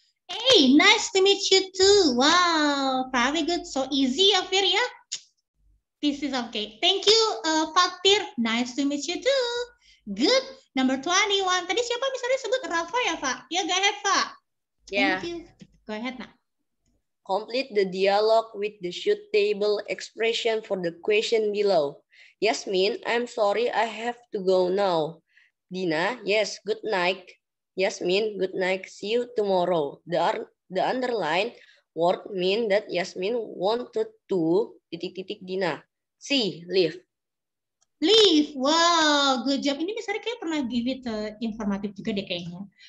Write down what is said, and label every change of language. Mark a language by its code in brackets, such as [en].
[en] Hey, nice to meet you too. Wow, very good. So easy, Zafir, ya? This is okay. Thank you, Fatir. Nice to meet you too. Good. Number 21. [id] Tadi siapa misalnya sebut? Rafa ya, Pak? Ya, [en] go ahead, [id] Pak. [en] Thank you. Go ahead, Nak. Complete the dialogue with the suit table expression for the question below. Yasmin, I'm sorry, I have to go now. Dina, yes, good night. Yasmin, good night, see you tomorrow. The underline word mean that Yasmin wanted to... ... Dina. See, leave. Leave, wow, good job. [id] Ini misalnya kayak pernah [en] give it [id] informatif juga deh kayaknya.